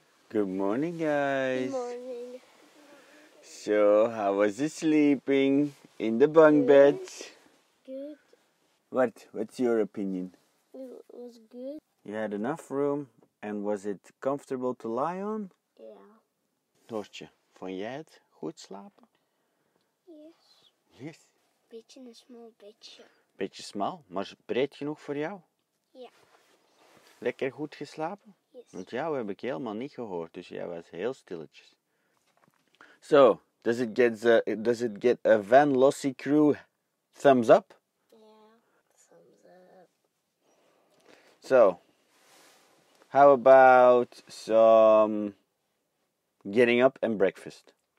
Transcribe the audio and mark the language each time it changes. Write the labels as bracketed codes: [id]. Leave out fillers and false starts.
[en] Good morning, guys. Good morning. So, how was you sleeping in the bunk bed? Good. What? What's your opinion? It was good. You had enough room, and was it comfortable to lie on? Yeah. [nl] Doortje, vond jij het goed slapen? [en] Yes. Yes. [nl] Beetje een small bedje. Beetje smal, maar breed genoeg voor jou? Ja. Lekker goed geslapen? Want jou heb ik helemaal niet gehoord, dus jij was heel stilletjes. [en] So, does it get a Van Lossie crew thumbs up? Yeah, thumbs up. So, how about some getting up and breakfast?